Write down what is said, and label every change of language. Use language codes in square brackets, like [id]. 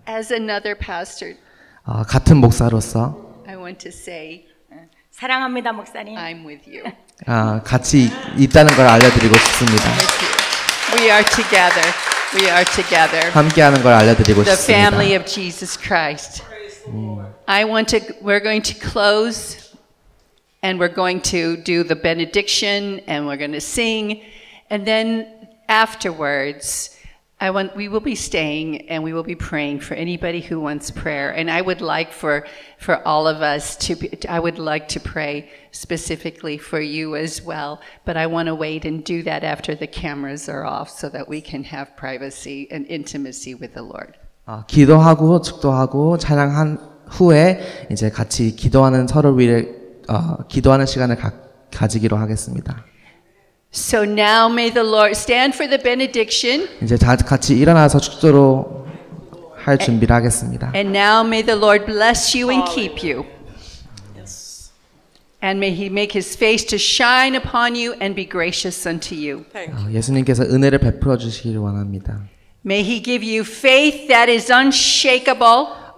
[en] As another pastor. [ko] 같은 목사로서. [en] I want to say. [ko] 사랑합니다, 목사님. [en] I'm with you. [ko] 같이 있다는 걸 알려드리고 싶습니다. [en] We are together. We are together. [ko] 함께하는 걸 알려드리고 [en] the The family of Jesus Christ. I want to. We're going to close, and we're going to do the benediction, and we're going to sing, and then afterwards, we will be staying, and we will be praying for anybody who wants prayer. And I would like for all of us to. I would like to pray specifically for you as well. But I want to wait and do that after the cameras are off, so that we can have privacy and intimacy with the Lord. [ko] 기도하고 축도하고 찬양한 후에 이제 같이 기도하는 서로를 위해 기도하는 시간을 가지기로 하겠습니다. [en] So now may the Lord stand for the benediction. [ko] 이제 다 같이 일어나서 축도로 할 준비를 하겠습니다. [en] And now may the Lord bless you and keep you. Yes. And may He make His face to shine upon you and be gracious unto you. [ko] 예수님께서 은혜를 베풀어 주시기를 원합니다. [en] May He give you faith that is unshakable.